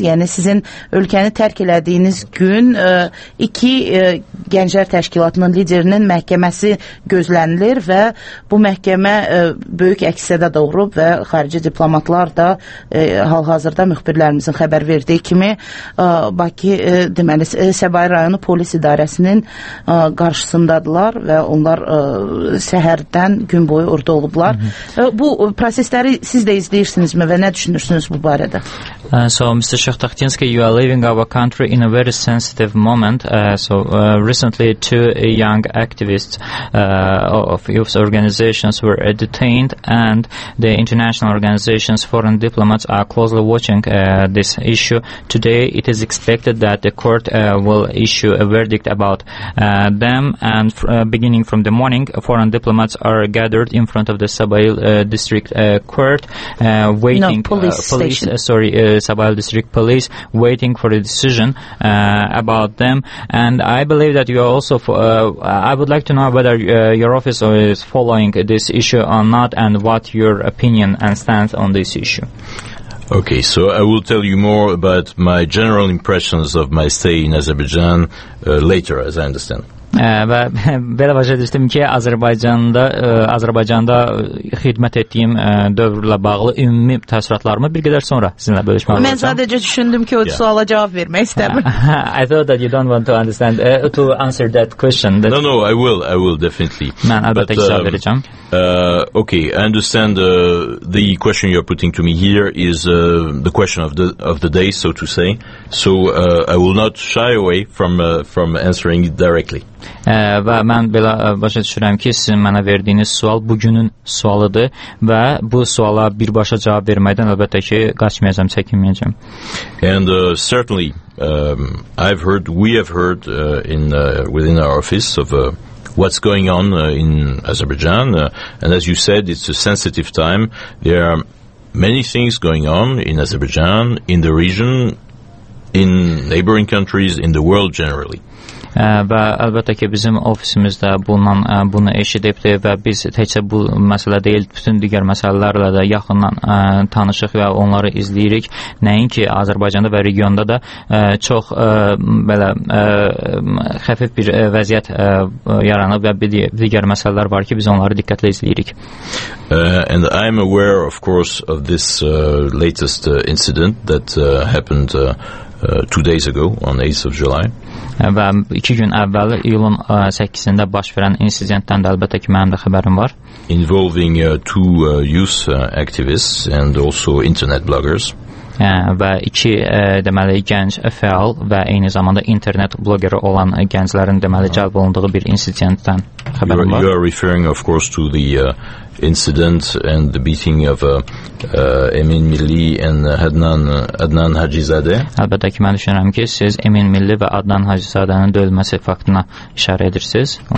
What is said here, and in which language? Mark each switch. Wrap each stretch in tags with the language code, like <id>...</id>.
<az>Yəni, sizin ölkəni tərk elədiyiniz gün iki gənclər təşkilatının liderinin məhkəməsi gözlənilir və bu məhkəmə böyük əksədə doğurub və xarici diplomatlar da hal-hazırda müxbirlərimizin xəbər verdiyi kimi Bakı, deməli, Səbai rayonu polis idarəsinin qarşısındadılar və onlar səhərdən gün boyu orada olublar. Bu prosesləri siz də izləyirsinizmi və nə düşünürsünüz bu barədə?</az> <en>So, Mr. Shakhtakhtinsky, you are leaving our country in a very sensitive moment. So, recently two young activists of youth organizations were detained, and the international organizations, foreign diplomats, are closely watching this issue. Today, it is expected that the court will issue a verdict about them, and beginning from the morning, foreign diplomats are gathered in front of the Sabail District Court, waiting... No, police, police station. Sorry, Sabail District Police, waiting for a decision about them. And I believe that you are also I would like to know whether your office is following this issue or not, and what your opinion and stance on this issue. Okay, so I will tell you more about my general impressions of my stay in Azerbaijan later, as I understand.</en> <az>Və belə başa düşdüm ki, Azərbaycanda xidmət etdiyim dövrlə bağlı ümumi təəssüratlarımı bir qədər sonra sizinlə bölüşmək olacaq. Mən sadəcə düşündüm ki, o suala cavab vermək istəmir.</az> <en>I thought that you don't want to understand to answer that question. That no, I will definitely.</en> <az>Mən əlbəttə ki, cavab verəcəm.</az> <en>Okay, I understand the question you're putting to me here is the question of the day, so to say. So I will not shy away from answering it directly.</en> <az>Və mən belə başa düşürəm ki, sizin mənə verdiyiniz sual bugünün sualıdır və bu suala birbaşa cavab verməkdən əlbəttə ki, qaçmayacağım, çəkinməyəcəm.</az> <en>And certainly we have heard within our office of what's going on in Azerbaijan, and as you said, it's a sensitive time. There are many things going on in Azerbaijan, in the region, in neighboring countries, in the world generally.</en> <az>Və əlbəttə ki, bizim ofisimizdə bunu eşidibdir və biz heç bu məsələ deyil, bütün digər məsələlərlə də yaxından tanışıq və onları izləyirik. Nəinki Azərbaycanda və regionda da çox belə xəfif bir vəziyyət yaranıb və digər məsələlər var ki, biz onları diqqətlə izləyirik.</az> <en>And I am aware, of course, of this latest incident that happened 2 days ago on 8th of July.</en> <az>Və 2 gün əvvəl iyulun 8-sində baş verən insidentdən də əlbəttə ki, mənim də xəbərim var.</az> <en>Involving two youth activists and also internet bloggers.</en> <az>Və iki deməli gənc fəal və eyni zamanda internet bloqeri olan gənclərin deməli cəlb olunduğu bir insidentdən xəbərim var.</az> <en>You are referring of course to the incident and the beating of Emin Milli and Adnan Hacizadeh.</en> <az>Əlbəttə ki, mən düşünürəm ki, siz Emin Milli və Adnan Hacizadənin döyülməsi faktına işarə edirsiniz.</az>